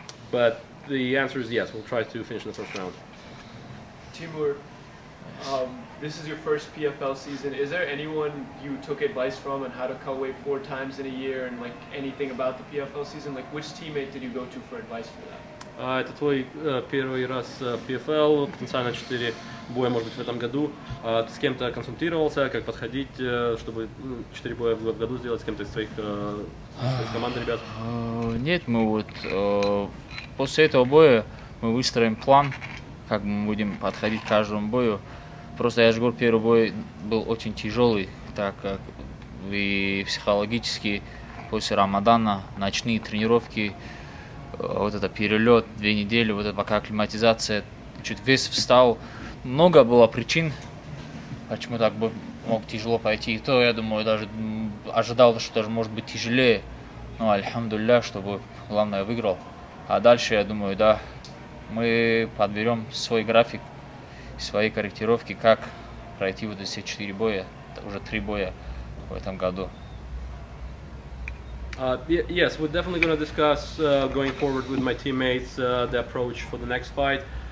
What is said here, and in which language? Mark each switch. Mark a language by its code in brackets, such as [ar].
[en] But the answer is yes, we'll try to finish in the first round. Timur, this is your first PFL season. Is there anyone you took advice from on how to cut weight 4 times in a year and like anything about the PFL season? Like which teammate did you go to for advice for that? [ru] Это твой первый раз PFL, потенциально 4 боя, может быть, в этом году. Ты с кем-то консультировался, как подходить, чтобы 4 боя в году сделать с кем-то из твоих команды, ребят? Нет, мы вот после этого боя мы выстроим план, как мы будем подходить к каждому бою. Просто я же говорю, первый бой был очень тяжелый, так как и психологически после Рамадана, ночные тренировки, вот это перелет, 2 недели, вот это пока акклиматизация, чуть вес встал. Много было причин, почему так бы мог тяжело пойти. И то, я думаю, даже ожидал, что даже может быть тяжелее. Но альхамдулилля, чтобы главное выиграл. А дальше, я думаю, да, мы подберем свой график, свои корректировки, как пройти вот эти 4 боя, уже 3 боя в этом году. [en] Yes, we're definitely going to discuss going forward with my teammates the approach for the next fight.